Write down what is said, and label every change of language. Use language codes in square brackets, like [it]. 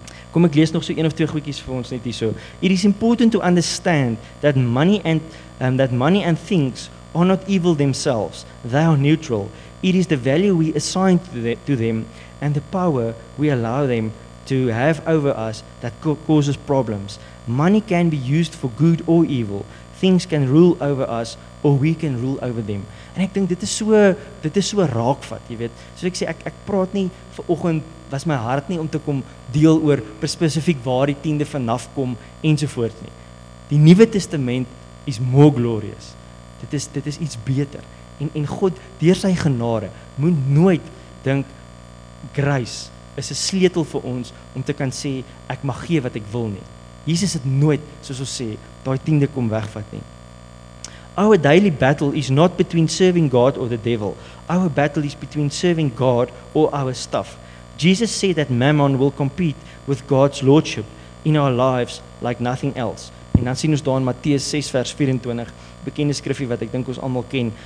[af] Kom ek lees nog so een of twee goedjies vir ons net hierso. [en] It is important to understand that money and things are not evil themselves. They are neutral. It is the value we assign to them and the power we allow them to have over us that causes problems. Money can be used for good or evil. Things can rule over us or we can rule over them. [af] En ek dink dit is so raakvat, jy weet. Soos ek sê, ek praat nie vir oggend was my hart nie om te kom deel oor spesifiek waar die tiende vanaf kom ensovoorts nie. Die Nuwe Testament is [en] more glorious. [af] Dit is iets beter. En God deur sy genade moet nooit dink grace is 'n sleutel vir ons om te kan sê ek mag gee wat ek wil nie. Jesus het nooit, soos ons sê, daai tiende kom wegvat nie. [en] Our daily battle is not between serving God or the devil. Our battle is between serving God or our stuff. Jesus said that mammon will compete with God's lordship in our lives like nothing else. [af] En dan sien ons daar in Matteus 6 vers 24, bekende skrifgie wat ek dink ons almal ken.